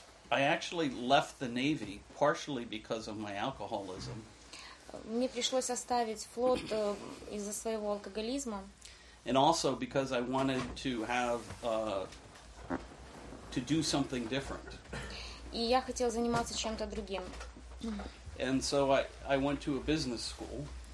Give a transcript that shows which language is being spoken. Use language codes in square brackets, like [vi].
[en] I actually left the Navy partially because of my alcoholism. [ru] Мне пришлось оставить флот из-за своего алкоголизма. [en] And also because I wanted to have to do something different. [ru] И я хотел заниматься чем-то другим. [en] And so I went to a business school.